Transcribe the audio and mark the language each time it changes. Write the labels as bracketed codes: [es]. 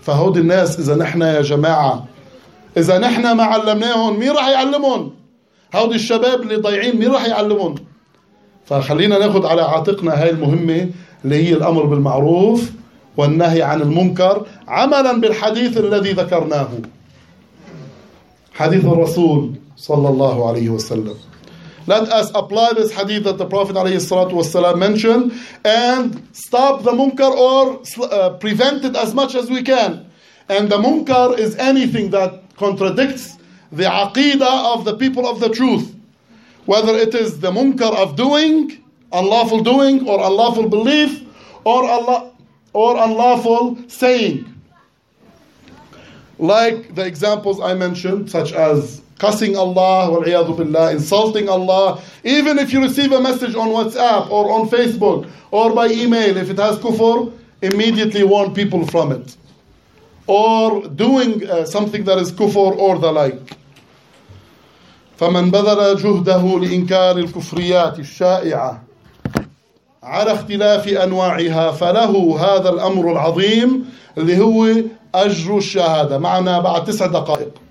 [ar] فهود الناس إذا نحن يا جماعة، إذا نحن ما علمناهم مين راح يعلمهم؟ هؤلاء الشباب اللي ضايعين مين راح يعلمون؟ فخلينا ناخذ على عاتقنا هاي المهمة اللي هي الأمر بالمعروف والنهي عن المنكر، عملا بالحديث الذي ذكرناه، حديث الرسول صلى الله عليه وسلم. [en] Let us apply this hadith that the Prophet [ar] عليه الصلاة والسلام [en] mentioned and stop the munkar or prevent it as much as we can. And the munkar is anything that contradicts the aqidah of the people of the truth, whether it is the munkar of doing, unlawful doing, or unlawful belief, or Allah, or unlawful saying. Like the examples I mentioned, such as cussing Allah, wal-iyadu billah, insulting Allah, even if you receive a message on WhatsApp, or on Facebook, or by email, if it has kufr, immediately warn people from it. Or doing something that is kufr, or the like. [ar] فمن بذل جهده لإنكار الكفريات الشائعة على اختلاف أنواعها فله هذا الأمر العظيم اللي هو أجر الشهادة. معنا بعد 9 دقائق.